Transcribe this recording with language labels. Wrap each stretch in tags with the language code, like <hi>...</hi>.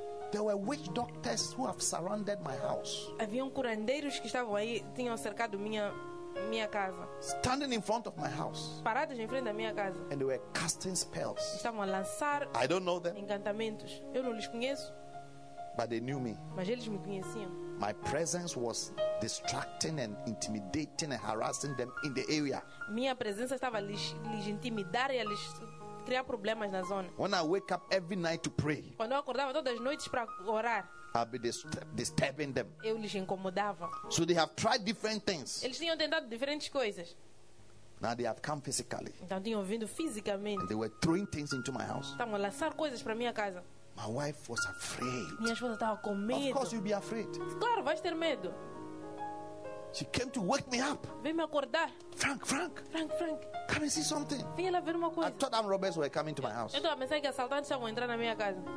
<en>There were witch doctors who have surrounded my house.</en> <pt>Havia curandeiros que estavam aí, tinham cercado minha casa.</pt> <en>Standing in front of my house.</en> <pt>Parados em frente da minha casa.</pt> <en>And they were casting spells.</en> <pt>Estavam a lançar.</pt> <en>I don't know them.</en> <pt>Encantamentos. Eu não lhes conheço.</pt> <en>But they knew me.</en> <pt>Mas eles me conheciam.</pt> <en>My presence was distracting and intimidating and harassing them in the area.</en> <pt>Minha presença estava lhes intimidar e lhes criar problemas na zona.</pt> <en>When I wake up every night to pray.</en> <pt>Quando eu acordava todas as noites para orar.</pt> <en>I'd be disturbing them.</en> <pt>Eu lhes incomodava.</pt> <en>So they have tried different things.</en> <pt>Eles tinham tentado diferentes coisas.</pt> <en>Now they have come physically.</en> <pt>Então tinham vindo fisicamente.</pt> <en>And they were throwing things into my house.</en> <pt>Estavam a lançar coisas para minha casa.</pt> <en>My wife was afraid.</en> <pt>Minha esposa estava com medo.</pt> <en>Of course you'll be afraid.</en> <pt>Claro, vais ter medo.</pt> <en>She came to wake me up.</en> <pt>Vem me acordar.</pt> <en>Frank. Come and see something.</en> <pt>Vem lá ver uma coisa.</pt> <en>I thought that robbers were coming to my house.</en> <pt>Eu estava a pensar que assaltantes estavam entrando na minha casa.</pt>